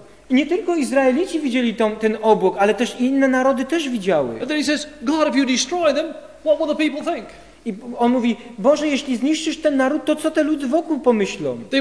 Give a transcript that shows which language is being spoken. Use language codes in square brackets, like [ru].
[pl] nie tylko Izraelici widzieli ten obłok, ale też inne narody też widziały. [en] And then he says, God, if you destroy them, what will the people think? [pl] I on mówi, Boże, jeśli zniszczysz ten naród, to co te ludy wokół pomyślą?